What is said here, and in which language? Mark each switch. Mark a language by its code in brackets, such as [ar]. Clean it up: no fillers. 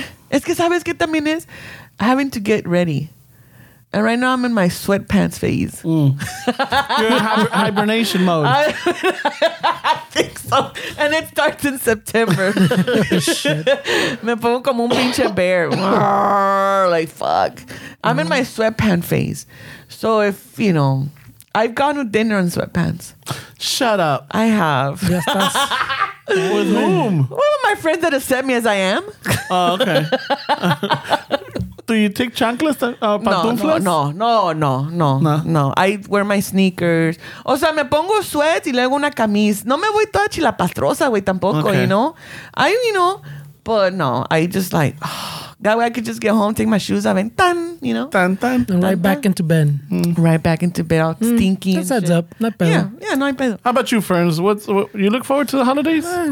[es] Es que sabes que también es [en] having to get ready. And right now I'm in my sweatpants phase. Mm. You're in hibernation mode. I think so. And it starts in September. [es] Shit. Me pongo como un pinche bear. [en] Like, fuck. I'm in my sweatpants phase. So if, you know, I've gone to dinner in sweatpants. Shut up. I have. Yes, that's... With whom? Well, my friends that accept me as I am. Oh, okay. Do you take chanclas? No. I wear my sneakers. [es] O sea, me pongo sweats y luego una camisa. No me voy toda chilapastrosa, güey, tampoco, [en] you know? I just like, that way I could just get home, take my shoes off, and tan, you know? Tan, tan. And right back into bed. Mm. Right back into bed, all stinky. That's heads up. Not bad. Yeah, not bad. How about you, friends? What you look forward to the holidays?